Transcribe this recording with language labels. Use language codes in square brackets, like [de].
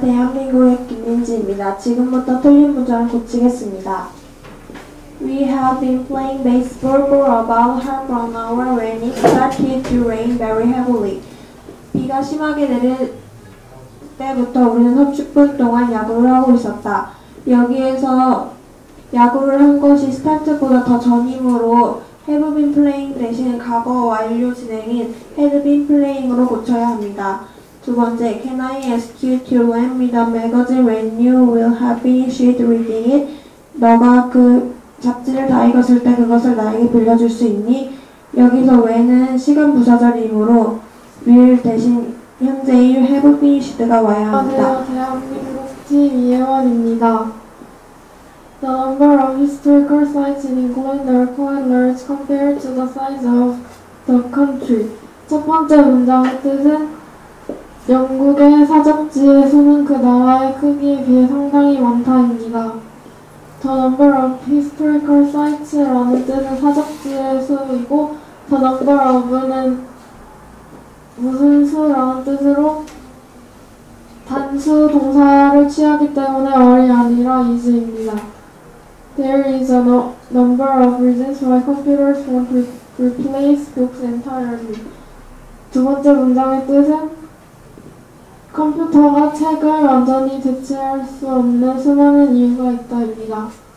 [ko] 대한민국의 김민지입니다. 지금부터 틀린 문장 고치겠습니다. [en] We have been playing baseball for about half an hour when it started to rain very heavily. [ko] 비가 심하게 내릴 때부터 우리는 30분 동안 야구를 하고 있었다. 여기에서 야구를 한 것이 스타트보다 더 전이므로 [en] have been playing [ko] 대신 과거 완료 진행인 [en] had been playing [ko] 으로 고쳐야 합니다. 두 번째, [en] Can I ask you to lend me the magazine when you will have finished reading it? [ko] 너가 그 잡지를 다 읽었을 때 그것을 나에게 빌려줄 수 있니? 여기서 when은 시간 부사절이므로 will 대신 현재의 [en] have finished [ko] 가 와야 합니다. 안녕하세요. 대한민국 팀 이혜원입니다. [en] The number of historical sites in England are quite large compared to the size of the country. [ko] 첫 번째 문장의 뜻은 영국의 사적지의 수는 그 나라의 크기에 비해 상당히 많다입니다. [en] The number of historical sites [ko] 라는 뜻은 사적지의 수이고, [en] the number of [ko] 는 무슨 수라는 뜻으로 단수 동사를 취하기 때문에 are이 아니라 is입니다. [en] There is a no, number of reasons why computers won't replace books entirely. [ko] 두 번째 문장의 뜻은 컴퓨터가 책을 완전히 대체할 수 없는 수많은 이유가 있다입니다.